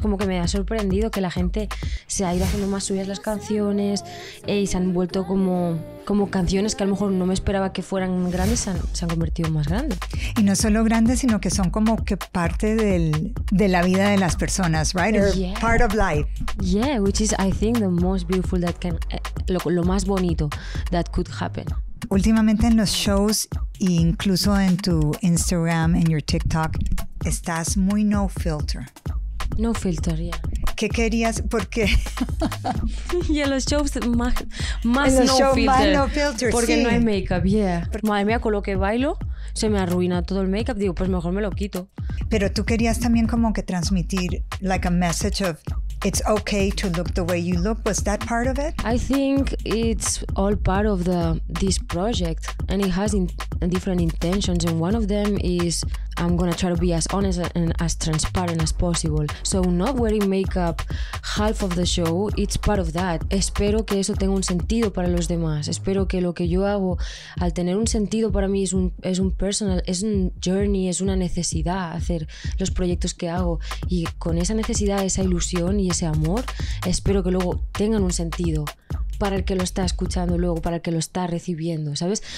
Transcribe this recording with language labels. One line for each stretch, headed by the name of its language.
Spanish: Como que me ha sorprendido que la gente se ha ido haciendo más suyas las canciones y se han vuelto como canciones que a lo mejor no me esperaba que fueran grandes, se han convertido en más grandes. Y no solo grandes, sino que son como que parte de la vida de las personas, right?
English: Part of life. Yeah, which is, I think, the most beautiful that can,
Spanish: lo más bonito
English: that could happen.
Spanish: Últimamente en los shows, e incluso en tu Instagram, en your TikTok, estás muy no filter.
English: No filter, ya. Yeah.
Spanish: ¿Qué querías? ¿Por qué? Y en los shows más en los
English: no filter.
Spanish: Más no filter, porque sí. No hay make-up, yeah. Madre mía, con lo que bailo, se me arruina todo el make-up. Digo, pues mejor me lo quito. Pero tú querías también como que transmitir,
English: like a message of, it's okay to look the way you look. Was that part of it? I think it's all part of this project. And it has different intentions. And one of them is, I'm gonna try to be as honest and as transparent as possible. So not wearing makeup half of the show, it's part of that.
Spanish: Espero que eso tenga un sentido para los demás. Espero que lo que yo hago, al tener un sentido para mí, es un personal, es un journey, es una necesidad hacer los proyectos que hago. Y con esa necesidad, esa ilusión y ese amor, espero que luego tengan un sentido para el que lo está escuchando luego, para el que lo está recibiendo, ¿sabes?